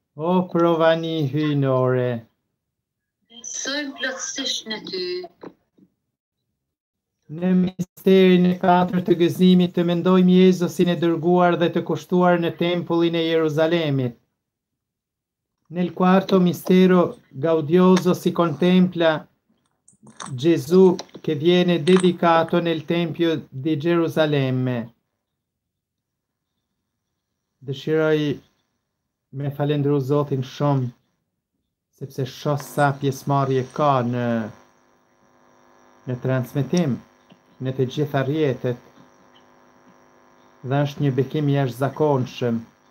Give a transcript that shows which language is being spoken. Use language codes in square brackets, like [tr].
[sq] O provani hyjnore, Besojmë plotësisht në ty. në misterin e katërt të gëzimit të mendojmë Jezusin e dërguar dhe të kushtuar në tempullin e Jeruzalemit. [it] Nel quarto mistero gaudioso si contempla Gesù che viene dedicato nel Tempio di Gerusalemme. [sq] Dëshiroj me falendru Zotin shumë, sepse shoh sa pjesëmarrje ka në transmetim, në të gjitha rrjetet, dhe është një bekim i jashtëzakonshëm.